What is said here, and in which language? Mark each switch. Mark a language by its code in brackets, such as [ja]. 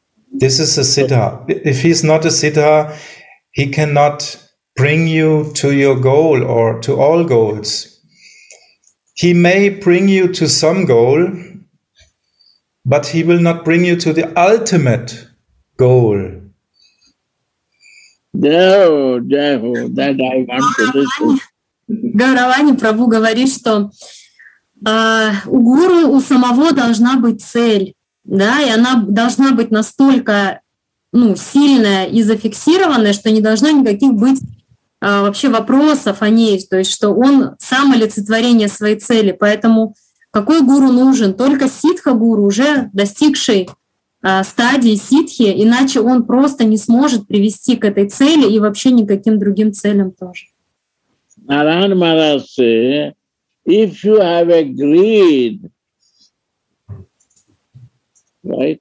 [en] This is a siddha. If he's not a siddha, he cannot bring you to your goal or to all goals. He may bring you to some goal, but he will not bring you to the ultimate goal. No, that I want to listen. [ru] Гаравани Прабху говорит, что у гуру, у самого должна быть цель, да, и она должна быть настолько ну, сильная и зафиксированная, что не должно никаких быть вообще вопросов о ней, то есть что он сам олицетворение своей цели. Поэтому какой гуру нужен? Только ситха-гуру, уже достигший стадии ситхи, иначе он просто не сможет привести к этой цели и вообще никаким другим целям тоже. [en] Narayana Maharaj says, if you have a greed, right?